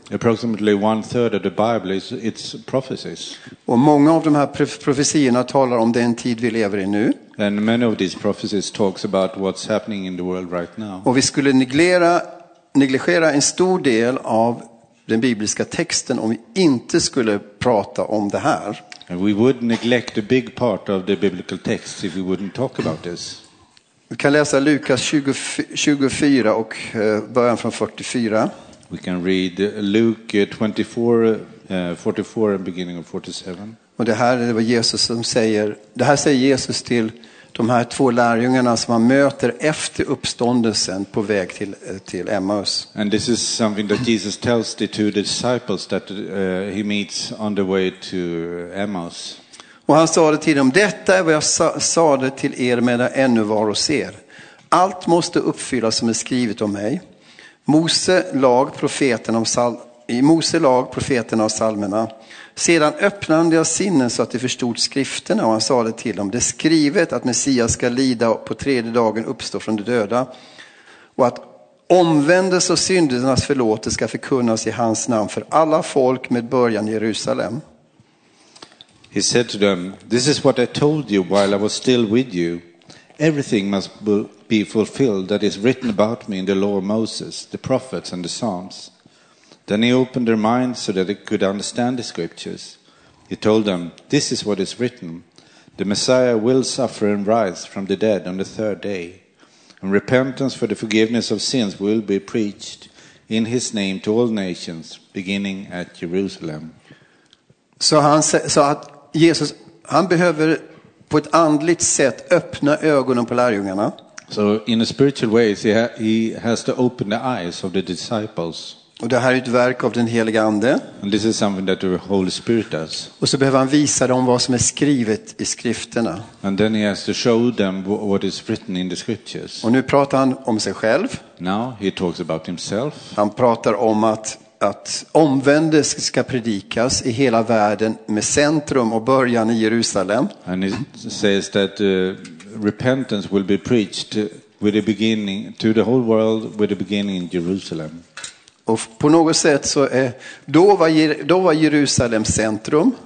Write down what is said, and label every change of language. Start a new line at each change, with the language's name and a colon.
English: Approximately one third of the Bible is its prophecies.
Swedish: Och många av de här profetierna talar om den tid vi lever i nu.
English: And many of these prophecies talks about what's happening in the world right now.
Swedish: Och vi skulle negligera en stor del av den bibliska texten om vi inte skulle prata om det här.
English: And we would neglect a big part of the biblical text if we wouldn't talk about this.
Swedish: Vi kan läsa Lukas 24 och början från 44.
English: We can read Luke 24 and beginning of 47.
Swedish: Och det här är vad Jesus som säger. Det här säger Jesus till de här två lärjungarna som han möter efter uppståndelsen på väg till Emmaus.
English: And this is something that Jesus tells the two disciples that he meets on the way to Emmaus.
Swedish: Och han sa det till dem, detta är vad jag sa det till er medan jag ännu var hos er. Allt måste uppfyllas som är skrivet om mig. Mose lag profeten av salmerna. Sedan öppnade han deras sinnen så att de förstod skrifterna och han sa det till dem. Det är skrivet att Messias ska lida och på tredje dagen uppstå från de döda. Och att omvändelse och syndernas förlåtelse ska förkunnas i hans namn för alla folk med början i Jerusalem.
English: He said to them, this is what I told you while I was still with you. Everything must be fulfilled that is written about me in the law of Moses, the prophets and the Psalms. Then he opened their minds so that they could understand the scriptures. He told them, this is what is written. The Messiah will suffer and rise from the dead on the third day. And repentance for the forgiveness of sins will be preached in his name to all nations, beginning at Jerusalem.
Swedish: So Jesus behöver på ett andligt sätt öppna ögonen på lärjungarna.
English: So in a spiritual way he has to open the eyes of the disciples.
Swedish: Och det här är ett verk av den helige ande.
English: And this is something that the Holy Spirit does.
Swedish: Och så behöver han visa dem vad som är skrivet i skrifterna.
English: And then he has to show them what is written in the scriptures.
Swedish: Och nu pratar han om sig själv.
English: Now he talks about himself.
Swedish: Han pratar om att omvändelse ska predikas i hela världen med centrum och början i Jerusalem.
English: And it says that repentance will be preached with the beginning to the whole world with the beginning in Jerusalem.
Swedish: Och på något sätt så är då var Jerusalem centrum.